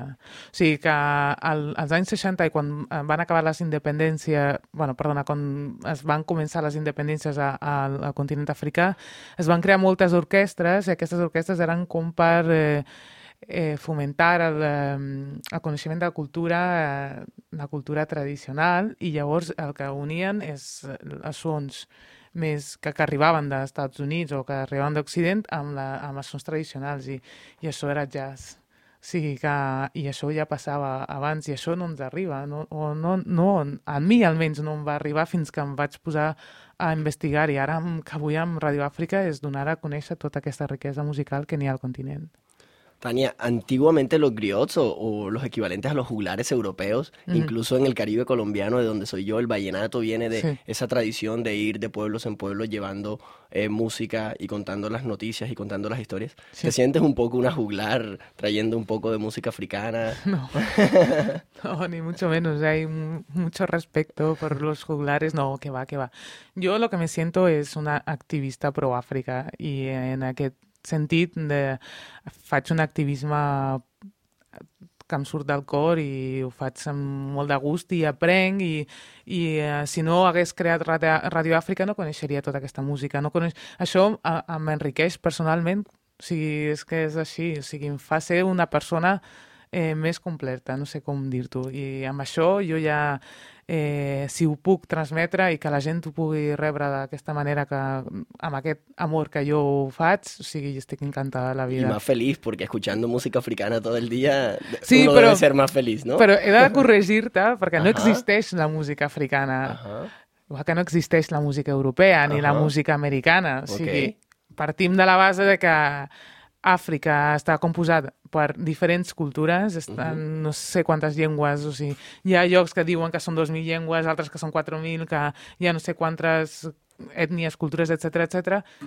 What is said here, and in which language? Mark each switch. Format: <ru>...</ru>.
<ca>O sigui que als anys 60, i quan van acabar les independències, bueno, perdona, quan es van començar les independències al continent africà, es van crear moltes orquestres, i aquestes orquestres eren com per fomentar el coneixement de la cultura tradicional, i llavors el que unien és els sons més que arribaven dels Estats Units o que arribaven d'Occident amb els sons tradicionals, i això era jazz. O sigui que, i això ja passava abans, i això no ens arriba, no, a mi almenys no em va arribar fins que em vaig posar a investigar, i ara que avui amb Radio Àfrica és donar a conèixer tota aquesta riquesa musical que n'hi ha al continent.</ca> <es>Tania, antiguamente los griots o los equivalentes a los juglares europeos, incluso en el Caribe colombiano, de donde soy yo, el vallenato viene de esa tradición de ir de pueblos en pueblos llevando música y contando las noticias y contando las historias. Sí. ¿Te sientes un poco una juglar trayendo un poco de música africana? No, ni mucho menos. Hay mucho respeto por los juglares. No, que va, que va. Yo lo que me siento es una activista pro África,</es> <ca>y en aquel sentit de faig un activisme que em surt del cor, i ho faig amb molt de gust, i aprenc, i si no hagués creat Radio Àfrica no coneixeria tota aquesta música. Això m'enriqueix personalment, o sigui, és que és així, o sigui, em fa ser una persona més completa, no sé com dir-t'ho, i amb això jo ja si ho puc transmetre i que la gent ho pugui rebre d'aquesta manera, que amb aquest amor que jo ho faig, o sigui, estic encantada de la vida.</ca> <es>I más feliz, porque escuchando música africana todo el día, sí, uno però, debe ser más feliz, ¿no?</es> <ca>Però he de corregir-te, perquè no existeix la música africana. Uh-huh. Igual que no existeix la música europea ni la música americana. O sigui, okay. Partim de la base de que Àfrica està composat per diferents cultures, estan, no sé quantes llengües, o sigui, hi ha llocs que diuen que són 2.000 llengües, altres que són 4.000, que hi ha no sé quantes ètnies, cultures, etc etc.</ca>